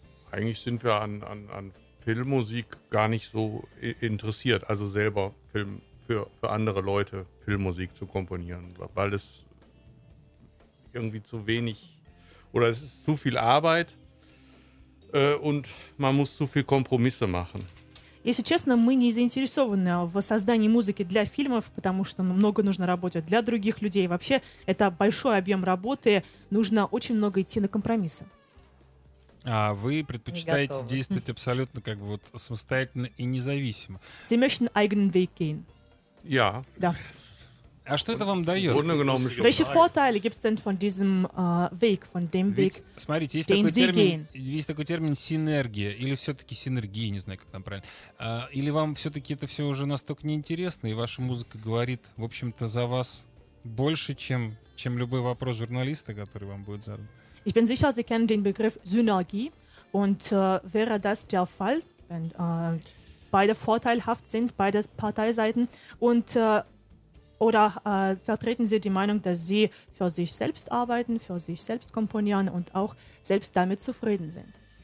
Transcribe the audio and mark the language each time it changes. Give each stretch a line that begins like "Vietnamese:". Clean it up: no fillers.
German: Eigentlich sind wir an Filmmusik gar nicht so interessiert, also selber Film für andere Leute Filmmusik zu komponieren, weil es irgendwie zu wenig oder es ist zu viel Arbeit und man muss zu viel Kompromisse machen.
Russian: Если честно, мы не заинтересованы в создании музыки для фильмов, потому что много нужно работать для других людей. Вообще, это большой объем работы, нужно очень много идти на компромиссы. А вы предпочитаете действовать абсолютно как бы вот самостоятельно и независимо.
German: Sie möchten eigenen Weg gehen. Ja.
Russian: Да. А что это вам дает?
German: Welche Vorteile gibt es denn von diesem Weg, von dem Weg?
Russian: Смотрите, есть такой термин, синергия, или все-таки синергия, не знаю, как там правильно. Или вам все-таки это все уже настолько неинтересно, и ваша музыка говорит, в общем-то, за вас больше, чем любой вопрос журналиста, который вам будет задан.
German: Ich bin sicher, Sie kennen den Begriff Synergie und wäre das der Fall, wenn beide vorteilhaft sind, beide Parteiseiten und vertreten Sie die Meinung, dass Sie für sich selbst arbeiten, für sich selbst komponieren und auch selbst damit zufrieden sind?